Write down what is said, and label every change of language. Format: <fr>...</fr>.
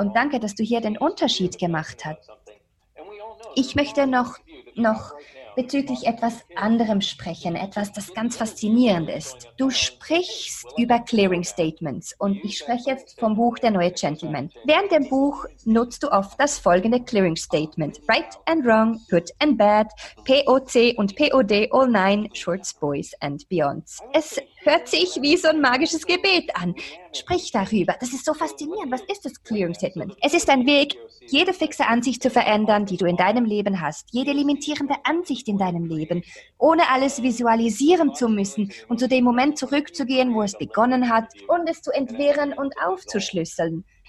<de>Und danke, dass du hier den Unterschied gemacht hast. Ich möchte noch bezüglich etwas anderem sprechen, etwas, das ganz faszinierend ist. Du sprichst über Clearing Statements und ich spreche jetzt vom Buch Der Neue Gentleman. Während dem Buch nutzt du oft das folgende Clearing Statement.</de> <en>Right and wrong, good and bad, POC und POD, all nine shorts, boys and beyonds.</en> <de>Es hört sich wie so ein magisches Gebet an. Sprich darüber. Das ist so faszinierend. Was ist das Clearing Statement? Es ist ein Weg, jede fixe Ansicht zu verändern, die du in deinem Leben hast, jede limitierende Ansicht in deinem Leben, ohne alles visualisieren zu müssen und zu dem Moment zurückzugehen, wo es begonnen hat und es zu entwirren und aufzuschlüsseln.</de>